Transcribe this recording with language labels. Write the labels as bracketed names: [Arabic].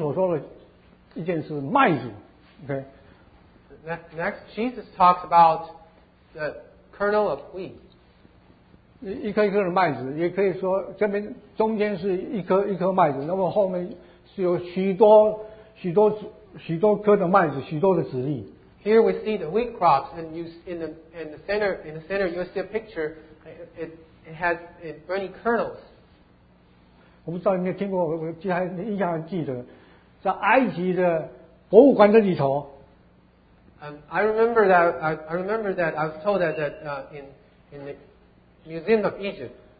[Chinese] 下面就是讲到耶稣所说的一件事，麦子。 [English] OK. Next, Jesus talks about the kernel of wheat. [Chinese] 一颗一颗的麦子，也可以说这边中间是一颗一颗麦子，那么后面是有许多许多许多颗的麦子，许多的籽粒。 [English] Here we see the wheat crops, and you in the center you see a picture. It has burning kernels. [Chinese] 我不知道你有没有听过，我记还印象还记得，在埃及的博物馆的里头。 [English] I remember that I was told that in the Museum of Egypt.